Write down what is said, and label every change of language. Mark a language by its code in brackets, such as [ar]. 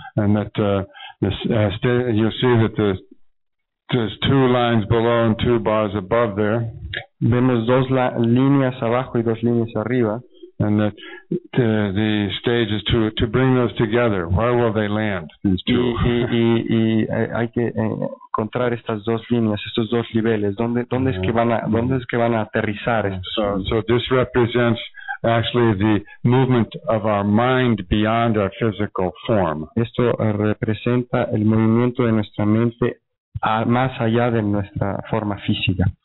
[en] And that you see that there's two lines below and two bars above there. [es] Vemos dos líneas abajo y dos líneas arriba. [en] And that the stage is to bring those together. Where will they land? [es] Y hay que encontrar estas dos líneas, estos dos niveles. ¿Dónde es que van a aterrizar estos? [en] So this represents actually the movement of our mind beyond our physical form. [es] Esto representa el movimiento de nuestra mente más allá de nuestra forma física.